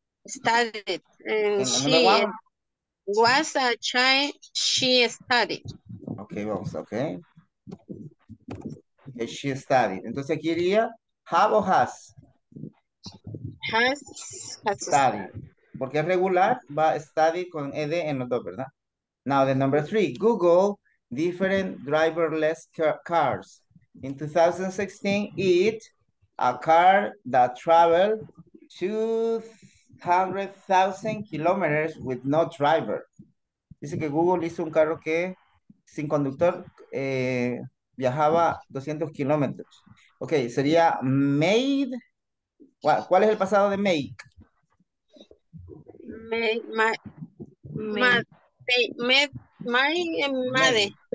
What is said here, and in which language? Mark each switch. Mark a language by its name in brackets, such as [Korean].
[English] Studied. She was a child, she studied. Okay, vamos, okay. She studied. [Spanish] Entonces aquí diría, have o has? [English] Has studied. [Spanish] Porque es regular, va study con ed en los dos, ¿verdad? [English] Now, the number three, Google different driverless cars. In 2016, it, a car that traveled 200,000 kilometers with no driver. [Spanish] Dice que Google hizo un carro que sin conductor viajaba 200 kilómetros. Ok, sería made. ¿Cuál es el pasado de make? [English] Made.